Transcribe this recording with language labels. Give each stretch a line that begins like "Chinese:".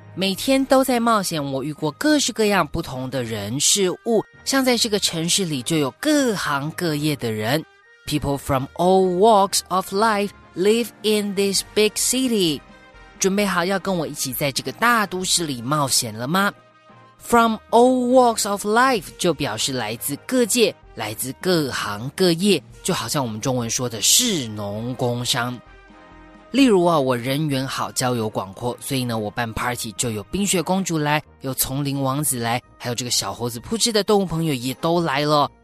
Chinese: 每天都在冒险，我遇过各式各样不同的人事物，像在这个城市里就有各行各业的人。
English: People from all walks of life live in this big city.
Chinese: 准备好要跟我一起在这个大都市里冒险了吗？
English: From all walks of life
Chinese: 就表示来自各界，来自各行各业，就好像我们中文说的士农工商。例如啊，我人缘好，交友广阔，所以呢，我办 party 就有冰雪公主来，有丛林王子来，还有这个小猴子扑哧的动物朋友也都来了。